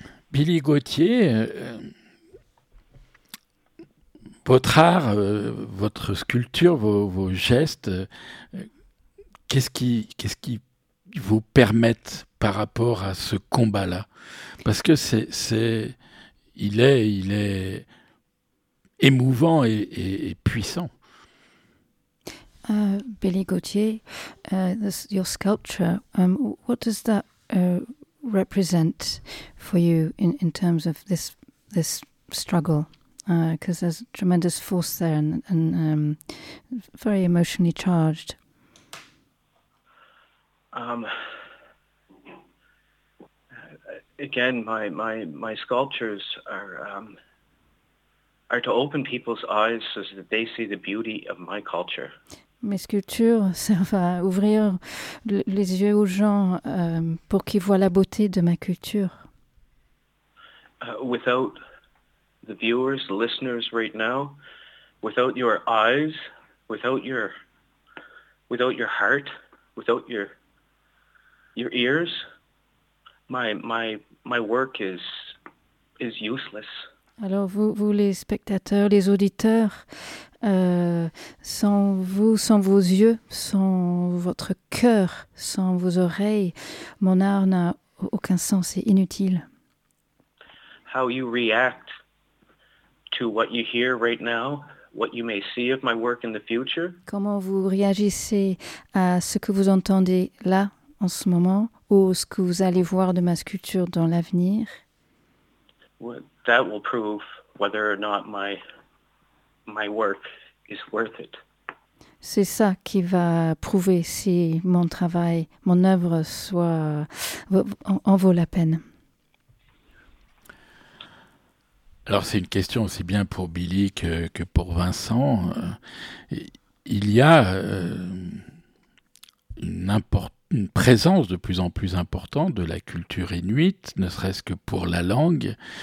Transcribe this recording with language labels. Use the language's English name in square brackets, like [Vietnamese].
[French] Billy Gauthier, votre art, votre sculpture, vos gestes, qu'est-ce qui vous permettent par rapport à ce combat-là? Parce que c'est Il est émouvant et puissant. [English] Billy Gauthier, your sculpture, what does that represent for you in terms of this struggle? Because there's tremendous force there and very emotionally charged. Again, my sculptures are to open people's eyes so that they see the beauty of my culture. [French] Mes sculptures servent à ouvrir les yeux aux gens pour qu'ils voient la beauté de ma culture. [English] Without the viewers, the listeners right now, without your eyes, without your heart, without your ears, my work is useless. [French] Alors vous les spectateurs, les auditeurs, sans vous, sans vos yeux, sans votre cœur, sans vos oreilles, mon art n'a aucun sens, c'est inutile. [English] How you react to what you hear right now, what you may see of my work in the future? [French] Comment vous réagissez à ce que vous entendez là en ce moment? Ou ce que vous allez voir de ma sculpture dans l'avenir. [English] That will prove whether or not my work is worth it. [French] C'est ça qui va prouver si mon travail, mon œuvre soit, en vaut la peine. Alors c'est une question aussi bien pour Billy que pour Vincent. Il y a une présence de plus en plus importante de la culture inuite, ne serait-ce que pour la langue.